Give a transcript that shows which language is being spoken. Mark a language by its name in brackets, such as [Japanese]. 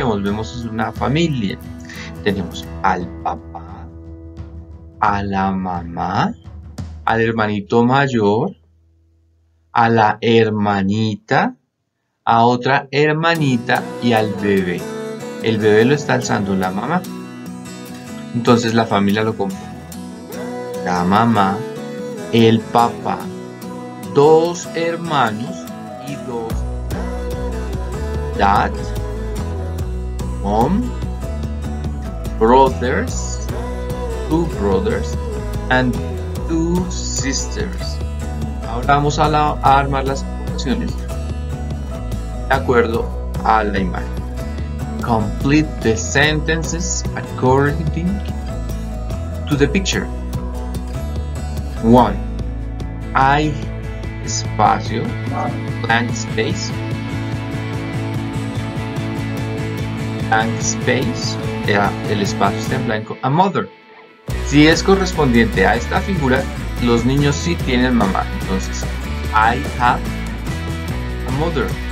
[Spanish] Que volvemos a una familia. Tenemos al papá, a la mamá, al hermanito mayor, a la hermanita, a otra hermanita y al bebé. El bebé lo está alzando la mamá. Entonces la familia lo compone. La mamá, el papá, dos hermanos y dos. [English] Dad, mom, brothers, two brothers and two sisters. [Spanish] Ahora vamos a armar las oraciones de acuerdo a la imagen. [English] Complete the sentences according to the picture. 1. I espacio blank space. [Spanish] Blank space, el espacio está en blanco. [English] A mother. [Spanish] Si es correspondiente a esta figura, los niños sí tienen mamá. [English] Entonces, I have a mother.